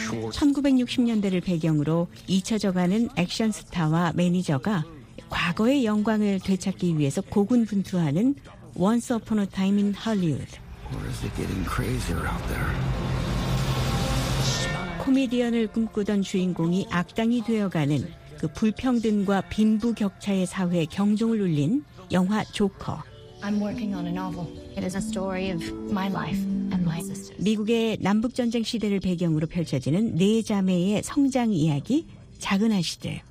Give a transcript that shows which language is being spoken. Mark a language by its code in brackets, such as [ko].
[ko] 1960년대를 배경으로 잊혀져가는 액션 스타와 매니저가 과거의 영광을 되찾기 위해서 고군분투하는 Once Upon a Time in Hollywood. [en] Or is it getting crazier out there? [ko] 코미디언을 꿈꾸던 주인공이 악당이 되어가는 그 불평등과 빈부 격차의 사회에 경종을 울린 영화 조커. [en] I'm working on a novel. It is a story of my life. [ko] 미국의 남북전쟁 시대를 배경으로 펼쳐지는 네 자매의 성장 이야기, 작은 아시들.